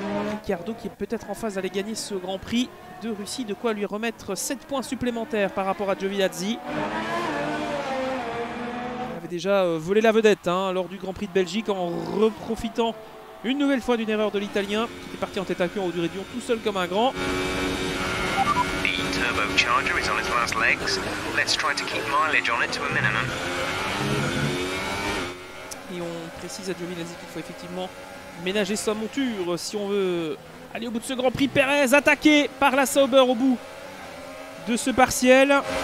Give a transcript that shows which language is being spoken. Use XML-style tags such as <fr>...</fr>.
<fr>Ricciardo qui est peut-être en phase d'aller gagner ce Grand Prix de Russie, de quoi lui remettre 7 points supplémentaires par rapport à Giovinazzi. Il avait déjà volé la vedette hein, lors du Grand Prix de Belgique en reprofitant une nouvelle fois d'une erreur de l'Italien qui était parti en tête à queue en haut du réduit tout seul comme un grand.</fr> <en>The turbocharger is on its last legs. Let's try to keep mileage on it to a minimum.</en> <fr>Et on précise à Giovinazzi qu'il faut effectivement ménager sa monture si on veut aller au bout de ce Grand Prix. Perez attaqué par la Sauber au bout de ce partiel.</fr>